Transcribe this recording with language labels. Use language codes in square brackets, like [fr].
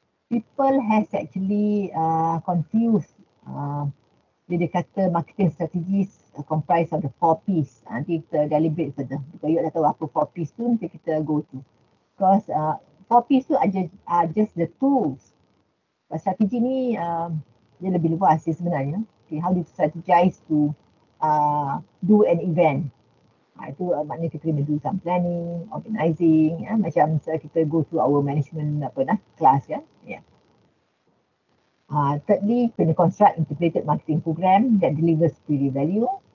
[en] People has actually confused. [ms] Dia kata [en] marketing strategies comprise of the four P's. [ms] Nanti kita [en] deliberate further. [ms] Jika you dah tahu apa four P's tu, nanti kita [en] go through. Because four P's tu are just the tools. [ms] But strategy ni, dia lebih luas dia sebenarnya. [en] Okay, how do you strategize to do an event? [ms] Itu maknanya kita kena [en] do some planning, organizing. Yeah? [ms] Macam kita [en] go through our management apa nah, class. Yeah? Yeah. Thirdly, kena construct integrated marketing program that delivers superior value.